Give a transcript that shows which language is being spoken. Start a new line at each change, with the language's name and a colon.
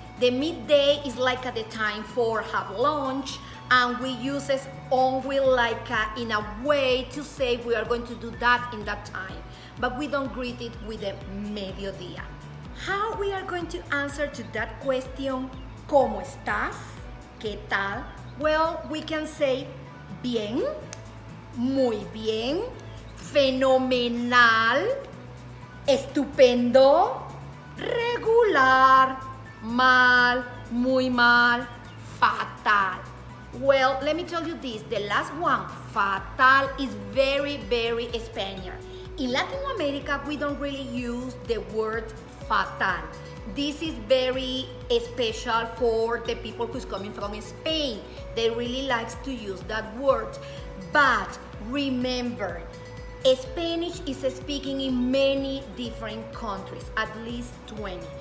English: The midday is like at the time for have lunch. And we use it only like in a way to say we are going to do that in that time. But we don't greet it with a mediodía. How we are going to answer to that question?
Spanish: ¿Cómo estás? ¿Qué tal?
English: Well, we can say
Spanish: bien, muy bien, fenomenal, estupendo, regular, mal, muy mal, fatal.
English: Well, let me tell you this, the last one, fatal, is very, very Spaniard. In Latin America, we don't really use the word fatal. This is very special for the people who's coming from Spain. They really like to use that word. But remember, Spanish is speaking in many different countries, at least 20.